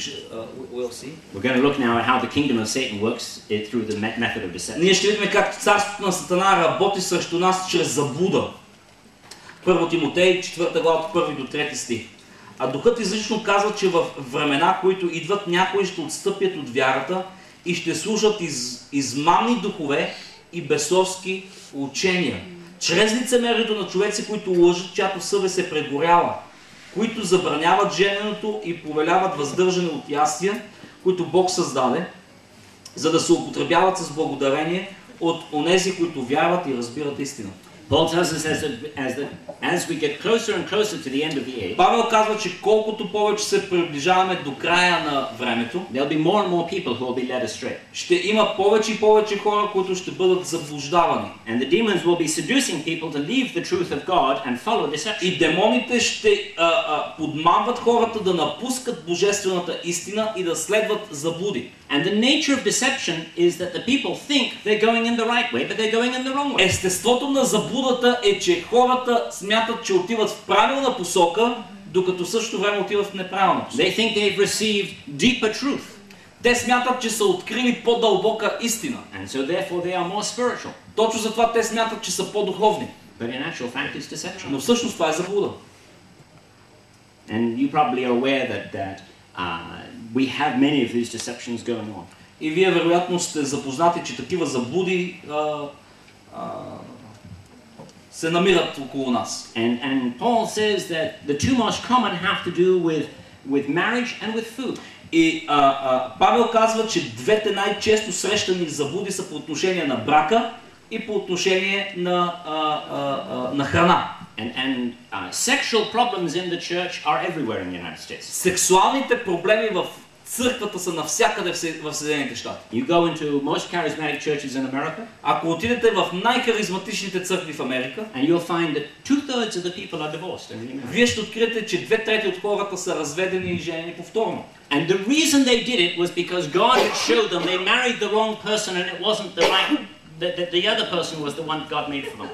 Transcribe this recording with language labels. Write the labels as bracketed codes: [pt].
[en] We're going to look now at how the kingdom of Satan works it through the method of deception. [bg] Ние ще видим как царството на Сатана работи срещу нас чрез заблуда. 1 Тимотей 4 глава от 1 до 3 стих. А духът изрично казва, че в времена, които идват, някои ще отстъпят от вярата и ще служат измамни духове и бесовски учения. Чрез лицемерието на човеци, които лъжат, чиято съвест се прегорява, които забраняват жененето и повеляват въздържане от ястия, които Бог създаде, за да се употребяват с благодарение от онези, които вярват и разбират истината. [en] Paul tells us as we get closer and closer to the end of the age. [bg] Павел казва, че колкото повече се приближаваме до края на времето, [en] there'll be more and more people who will be led astray. [bg] Ще има повече и повече хора, които ще бъдат заблуждавани. [en] And the demons will be seducing people to leave the truth of God and follow deception. [bg] И демоните ще подмамват хората да напускат божествената истина и да следват заблуди. [en] And the nature of deception is that the people think they're going in the right way, but they're going in the wrong way. [bg] Естеството на заблудата е, че хората смятат, че отиват в правилна посока, докато също време отиват в неправилна посока. [en] They think they've received deeper truth. [bg] Те смятат, че са открили по-дълбока истина. [en] And so therefore they are more spiritual. [bg] Точно затова те смятат, че са по-духовни. [en] But in actual fact it's deception. [bg] Но всъщност това е заблуда. [en] And you probably are aware that we have many of these deceptions going on. [bg] И вие вероятно сте запознати, че такива заблуди се намират около нас. [en] And Paul says that the two most common have to do with marriage and with food. [bg] И Павел казва, че двете най-често срещани заблуди са по отношение на брака и по отношение на на храна. [en] And sexual problems in the church are everywhere in the United States. [bg] Сексуалните проблеми в църквата са навсякъде в Съединените щати. [en] You go into most charismatic churches in America? [bg] Ако отидете в най-харизматичните църкви в Америка, [en] and you'll find that 2/3 of the people are divorced. [bg] Вие ще откриете, че 2/3 от хората са разведени и женени повторно. [en] And the reason they did it was because God had showed them they married the wrong person and it wasn't the right the other person was the one God made for them.